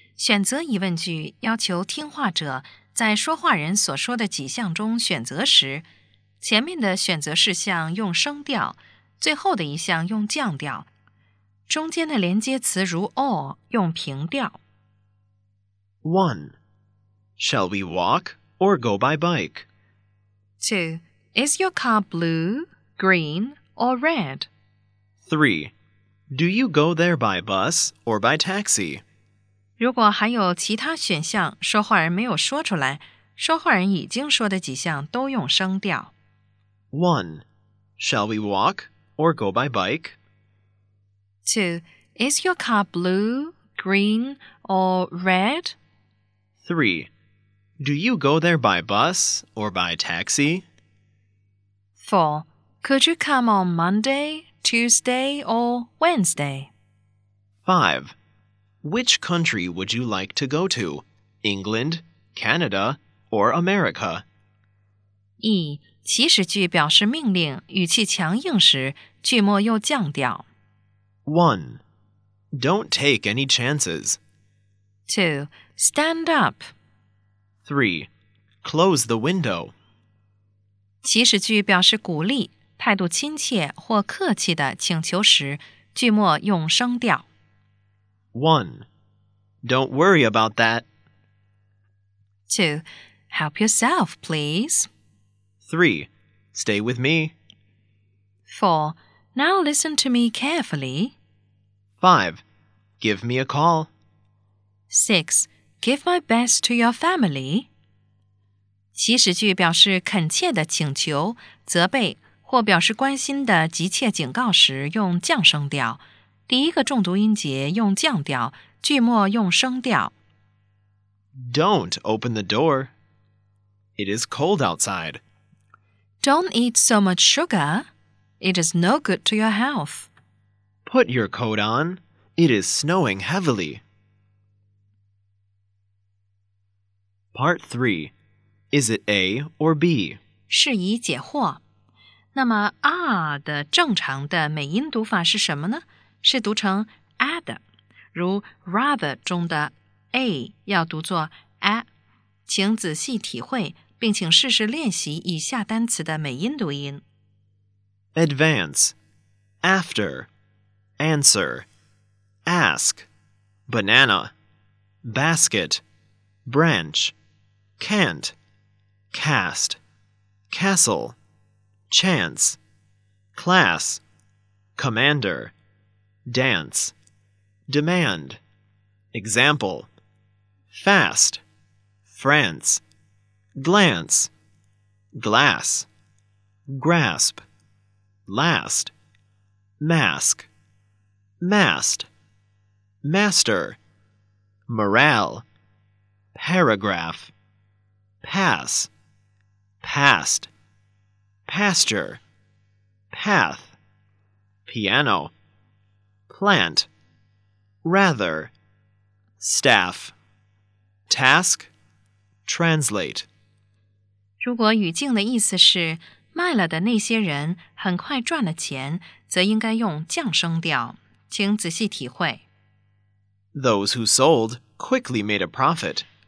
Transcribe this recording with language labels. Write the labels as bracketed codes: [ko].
[zh] 选择疑问句，要求听话者在说话人所说的几项中选择时，前面的选择事项用升调，最后的一项用降调，中间的连接词如 or 用平调。 1. [en] Shall we walk or go by bike? 2. Is your car blue, green, or red? 3. Do you go there by bus or by taxi? [zh] 如果还有其他选项说话人没有说出来，说话人已经说的几项都用升调。 1. [en] Shall we walk or go by bike? 2. Is your car blue, green, or red? 3. Do you go there by bus or by taxi? 4. Could you come on Monday, Tuesday, or Wednesday? 5. Which country would you like to go to? England, Canada, or America? 1. [zh] 祈使句表示命令，语气强硬时，句末又降调。 [en] 1. Don't take any chances. 2. Stand up. 3. Close the window. [zh] 祈使句表示鼓励，态度亲切或客气的请求时，句末用升调。 [en] 1. Don't worry about that. 2. Help yourself, please. 3. Stay with me. 4. Now listen to me carefully. 5. Give me a call. 6. Give my best to your family. [zh] 祈使句表示恳切的请求、责备或表示关心的急切警告时用降声调，第一个重读音节用降调，句末用升调。 [en] Don't open the door. It is cold outside. Don't eat so much sugar. It is no good to your health. Put your coat on. It is snowing heavily. Part 3. Is it A or B? [zh] 释疑解惑。那么 R 的正常的美音读法是什么呢？是读成 add， 如 rather 中的 a 要读作 a。请仔细体会，并请试试练习以下单词的美音读音。 [en] Advance, after, answer, ask, banana, basket, branch, can't, cast, castle, chance, class, commander, dance, demand, example, fast, France, glance, glass, grasp, last, mask, mast, master, morale, paragraph, pass, past, pasture, path, piano, plant, rather, staff, task, translate. [zh] 如果语境的意思是卖了的那些人很快赚了钱，则应该用降声调，请仔细体会。 [en] Those who sold quickly made a profit.